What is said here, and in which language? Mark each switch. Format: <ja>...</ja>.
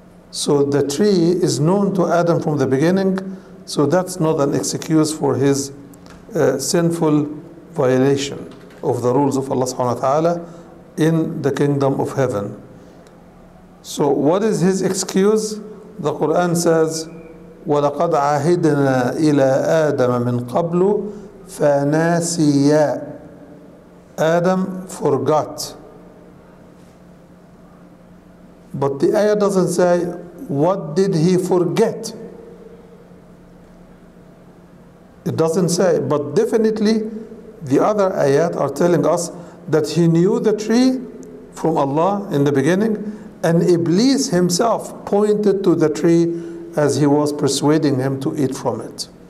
<en>So the tree is known to Adam from the beginning, so that's not an excuse for his sinful violation of the rules of Allah subhanahu wa ta'ala in the kingdom of heaven. So what is his excuse? The Quran says,</en> <ar>وَلَقَدْ عَهِدْنَا إِلَىٰ آدَمَ مِنْ قَبْلُ فَنَاسِيَا.</ar> <en>Adam forgot. But the ayah doesn't say, what did he forget? It doesn't say, but definitely the other ayat are telling us that he knew the tree from Allah in the beginning, and Iblis himself pointed to the tree as he was persuading him to eat from it.</en>